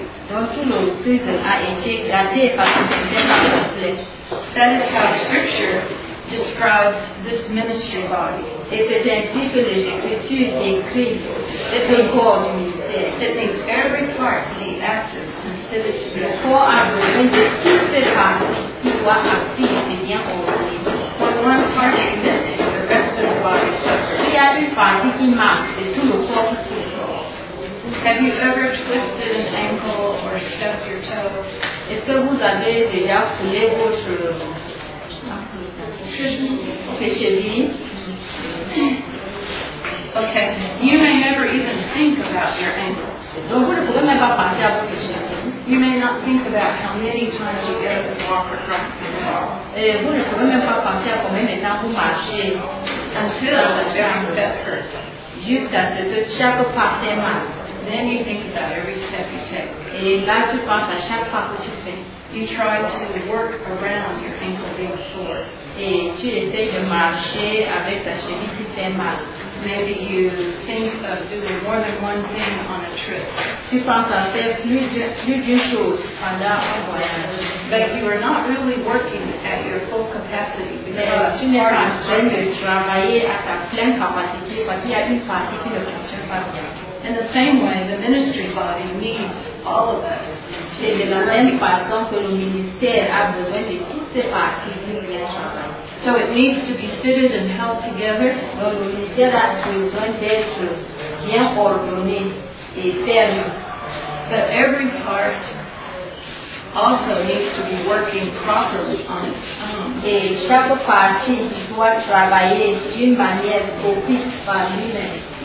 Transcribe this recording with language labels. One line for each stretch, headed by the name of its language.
French: Donc tout le puzzle a été gâté parce que c'était pas complet.
English: That is how Scripture describes this ministry body.
French: Et c'est ainsi que les Écritures décrivent cette corps du ministère.
English: It needs every part to be active.
French: Le corps a besoin de toutes ces parties qui soient actives et bien organisées.
English: But one part is missing, the rest of the body suffers.
French: Il y a une partie qui manque et tout le corps souffre.
English: Have you ever twisted an ankle or stubbed your toe?
French: Est-ce que vous avez déjà foulé votre cheville?
English: Okay, you may never even think about your ankles.
French: Donc vous ne pouvez même pas penser à votre cheville.
English: You may not think about how many times you get up and walk across the hall.
French: Vous ne pouvez même pas penser à combien de temps vous marchez.
English: Until the giant step hurts.
French: Jusqu'à ce que chaque pas fait mal.
English: Then you think about every step you take.
French: Et là, tu penses à chaque pas que tu fais.
English: You try to work around your ankle being sore.
French: Et tu essaies de marcher avec ta cheville qui fait mal.
English: Maybe you think of doing more than one thing on a trip.
French: Tu penses à faire plus d'une chose pendant un voyage.
English: But you are not really working at your full capacity.
French: Tu n'es pas en train de travailler à ta pleine capacité parce qu'il y a une partie qui ne fonctionne pas bien.
English: In the same way, the ministry body needs all of us.
French: C'est de la même façon que le ministère a besoin de toutes ses parties pour bien travailler.
English: So it needs to be fitted and held together.
French: Donc le ministère a besoin d'être bien ordonné et ferme.
English: But every part also needs to be working properly on its own.
French: Et chaque partie doit travailler d'une manière propice par lui-même.